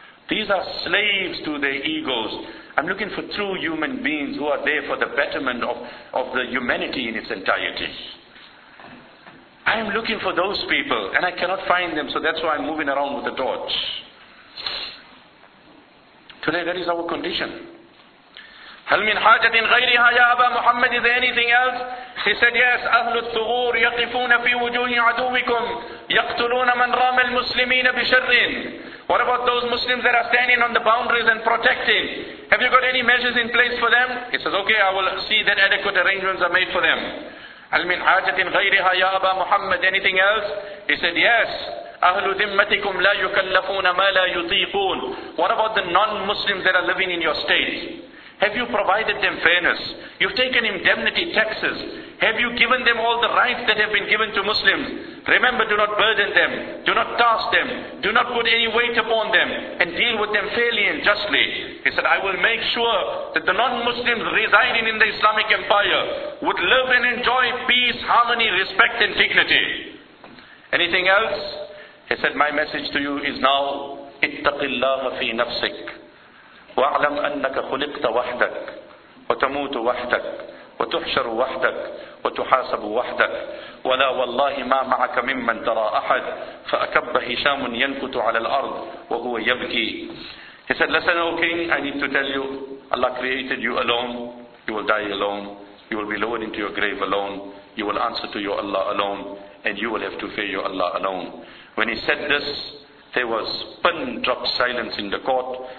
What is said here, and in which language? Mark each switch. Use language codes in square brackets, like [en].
[en] These are slaves to their egos. I'm looking for true human beings who are there for the betterment of the humanity in its entirety. I am looking for those people and I cannot find them, so that's why I'm moving around with a torch. Today that is our condition. [ar] هل من حاجة غيرها يا أبا محمد؟ [en] Is there anything else? He said, yes, [ar] أهل الثغور يقفون في وجوه عدوكم يقتلون من رام المسلمين بشر. [en] What about those Muslims that are standing on the boundaries and protecting? Have you got any measures in place for them? He says, okay, I will see that adequate arrangements are made for them. [ar] هل من حاجة غيرها يا أبا محمد؟ [en] Anything else? He said, yes. [ar] أهل ذمتكم لا يكلفون ما لا يطيقون. [en] What about the non-Muslims that are living in your state? Have you provided them fairness? You've taken indemnity taxes. Have you given them all the rights that have been given to Muslims? Remember, do not burden them. Do not task them. Do not put any weight upon them. And deal with them fairly and justly. He said, I will make sure that the non-Muslims residing in the Islamic Empire would live and enjoy peace, harmony, respect and dignity. Anything else? He said, my message to you is now, [ar] اتق الله في نفسك واعلم أنك خلقت وحدك وتموت وحدك وتحشر وحدك وتحاسب وحدك ولا والله ما معك ممن ترى أحد. فأكب هشام ينكت على الأرض وهو يبكي. [en] He said, listen, O king, I need to tell you, Allah created you alone, you will die alone, you will be lowered into your grave alone, you will answer to your Allah alone, and you will have to fear your Allah alone. When he said this, there was pin drop silence in the court.